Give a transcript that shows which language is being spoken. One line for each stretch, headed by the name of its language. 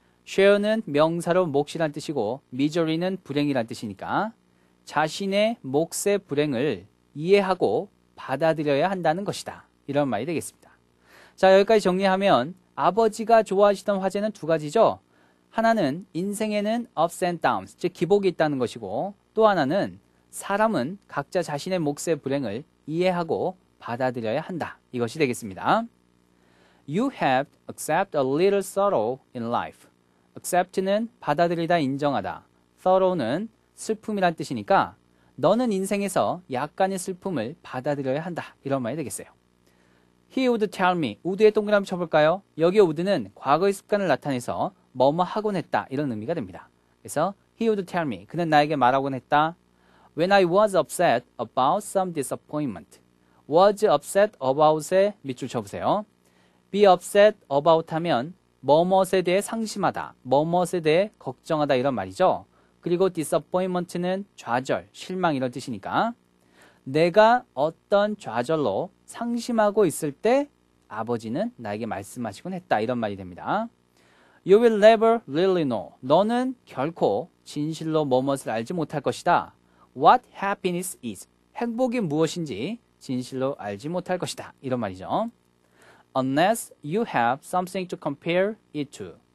Korean: share는 명사로 몫이란 뜻이고 misery는 불행이란 뜻이니까 자신의 몫의 불행을 이해하고 받아들여야 한다는 것이다. 이런 말이 되겠습니다. 자, 여기까지 정리하면 아버지가 좋아하시던 화제는 두 가지죠. 하나는 인생에는
English: ups and downs,
Korean: 즉 기복이 있다는 것이고 또 하나는 사람은 각자 자신의 몫의 불행을 이해하고 받아들여야 한다. 이것이 되겠습니다.
English: You have to accept a little sorrow in life.
Korean: accept는 받아들이다, 인정하다. sorrow는 슬픔이란 뜻이니까 너는 인생에서 약간의 슬픔을 받아들여야 한다. 이런 말이 되겠어요.
English: He would tell me.
Korean: 우드에 동그라미 쳐볼까요? 여기 우드는 과거의 습관을 나타내서 뭐뭐 하곤 했다. 이런 의미가 됩니다. 그래서
English: He would tell me.
Korean: 그는 나에게 말하곤 했다.
English: When I was upset about some disappointment. was upset about에
Korean: 밑줄 쳐보세요.
English: be upset about
Korean: 하면 뭐뭇에 대해 상심하다. 뭐뭇에 대해 걱정하다. 이런 말이죠. 그리고 disappointment는 좌절, 실망 이런 뜻이니까 내가 어떤 좌절로 상심하고 있을 때 아버지는 나에게 말씀하시곤 했다. 이런 말이 됩니다.
English: You will never really know.
Korean: 너는 결코 진실로 뭐뭇을 알지 못할 것이다.
English: What happiness is.
Korean: 행복이 무엇인지 진실로 알지 못할 것이다. 이런 말이죠.
English: Unless you have something to compare it to.